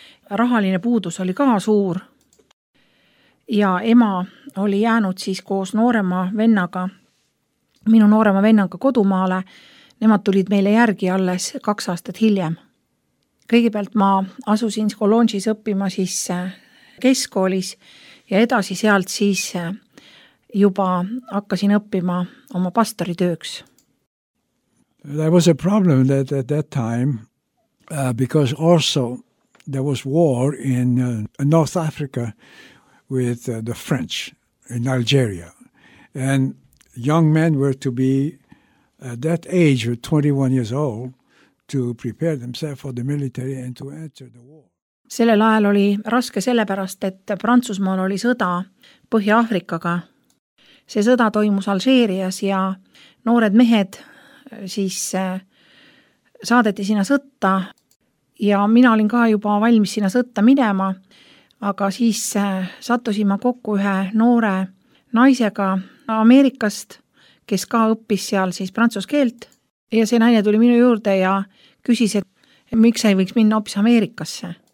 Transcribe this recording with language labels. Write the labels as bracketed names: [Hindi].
[Estonian] Rahaline puudus oli ka suur ja ema oli jäänud siis koos noorema vennaga, minu noorema vennaga kodumaale. Nemad tulid meile järgi alles 2 aastat hiljem. Kõigepealt ma asusin Cologne'is õppima siis keskkoolis ja edasi sealt siis juba hakkasin õppima oma pastori tööks. [English] There was a problem that at that time, because also there was war in North Africa with the French in Algeria. And young men were to be at that age, 21 years old, to prepare themselves for the military and to enter the war. [Estonian] Sellel ajal oli raske sellepärast, et Prantsusmaal oli sõda Põhja-Aafrikaga. See sõda toimus Algeerias ja noored mehed siis saadeti sinna sõtta ja mina olin ka juba valmis sinna sõtta minema, aga siis sattusin ma kokku ühe noore naisega Ameerikast, kes ka õppis seal siis prantsuskeelt ja see naine tuli minu juurde ja küsis, et miks ei võiks minna hoopis Ameerikasse.